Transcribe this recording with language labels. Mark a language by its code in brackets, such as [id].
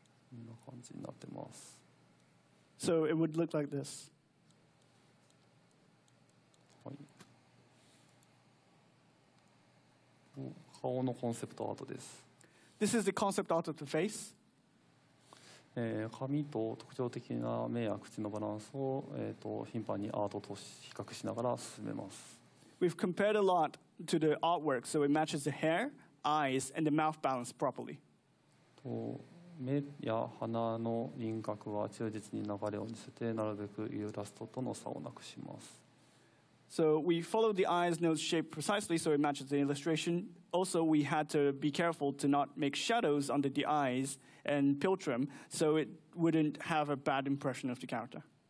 [ja] こんな感じになってます。 [en] So it would look like this. [ja] 顔のコンセプトアートです。 [en] This is the concept art of the face. [ja] 髪と特徴的な目や口のバランスを、頻繁にアートと比較しながら進めます。 [en] We've compared a lot to the artwork, so it matches the hair, eyes, and the mouth balance properly. [ja] 目や鼻の輪郭は忠実に流れを見せて、なるべくイラストとの差をなくします。 [en] So we followed the eyes nose shape precisely so it matches the illustration. Also, we had to be careful to not make shadows under the eyes and Piltrum so it wouldn't have a bad impression of the character.